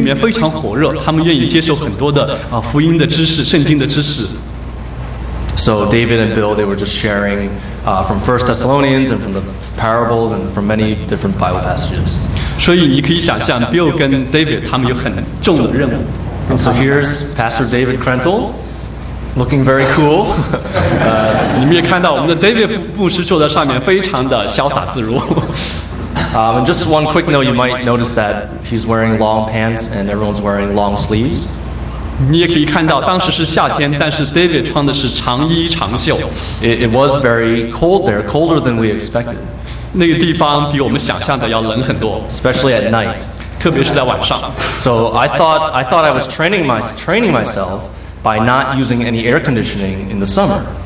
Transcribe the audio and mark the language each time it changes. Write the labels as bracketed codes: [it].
[zh] 你会发现一个现象，在当地的非常多的基督徒，他们的心里面非常火热，他们愿意接受很多的 福音的知识，圣经的知识。 [en] So David and Bill, they were just sharing from 1 Thessalonians and from the parables and from many different Bible passages. [zh] 所以你可以想象 Bill 跟 David 他们有很重的任务。 [en] So here's Pastor David Krenzel, looking very cool. [zh] 你们也看到我们的 David 牧师坐在上面非常的潇洒自如。 [en] And just one quick note, you might notice that he's wearing long pants and everyone's wearing long sleeves. [zh] 你也可以看到当时是夏天，但是 David 穿的是长衣长袖。 [en] It was very cold there, colder than we expected. [zh] 那个地方比我们想象的要冷很多， [en] especially at night. [zh] 特别是在晚上。 [en] So I thought I was training myself by not using any air conditioning in the summer.